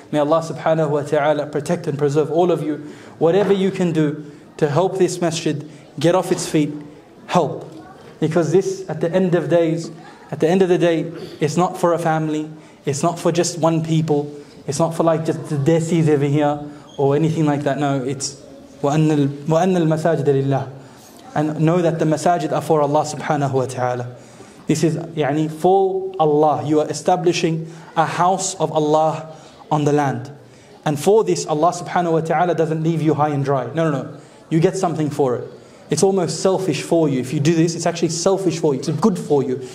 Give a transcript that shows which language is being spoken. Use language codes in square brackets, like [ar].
[en] May Allah subhanahu wa ta'ala protect and preserve all of you. Whatever you can do to help this masjid get off its feet, help. Because this, at the end of the day, it's not for a family, it's not for just one people, it's not for like just the desis over here or anything like that. No, it's [ar] وَأَنَّ الْمَسَاجِدَ لِلَّهِ. [en] And know that the masajid are for Allah subhanahu wa ta'ala. This is يعني, for Allah. You are establishing a house of Allah on the land. And for this, Allah subhanahu wa ta'ala doesn't leave you high and dry. No, no, no. You get something for it. It's almost selfish for you. If you do this, it's actually selfish for you. It's good for you.